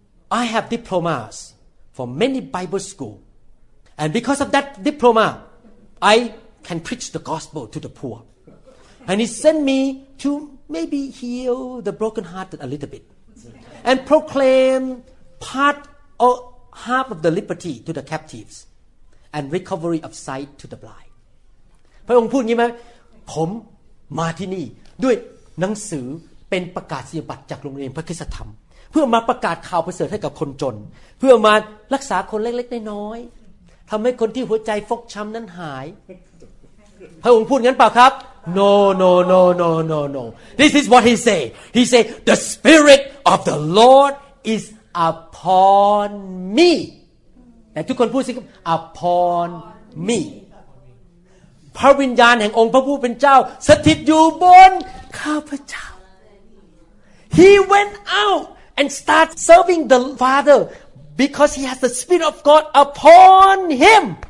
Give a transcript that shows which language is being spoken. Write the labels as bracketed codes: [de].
[en] I have diplomas for many Bible school. And because of that diploma, I can preach the gospel to the poor. And he sent me to... Maybe heal the brokenhearted a little bit, and proclaim part or half of the liberty to the captives, and recovery of sight to the blind. [th] พระองค์พูดงี้ไหมผมมาที่นี่ด้วยหนังสือเป็นประกาศนียบัตรจากโรงเรียนพระคริสตธรรมเพื่อมาประกาศข่าวประเสริฐให้กับคนจนเพื่อมารักษาคนเล็กๆน้อยๆทำให้คนที่หัวใจฟกช้ำนั้นหายพระองค์พูดงั้นเปล่าครับ [en] No, no, no, no, no, no. This is what he said. He said, the Spirit of the Lord is upon me. [th] แต่ทุกคนพูดสิครับ [en] upon me. [th] พระวิญญาณแห่งองค์พระผู้เป็นเจ้าสถิตอยู่บนข้าพเจ้า [en] He went out and start serving the Father because he has the Spirit of God upon him.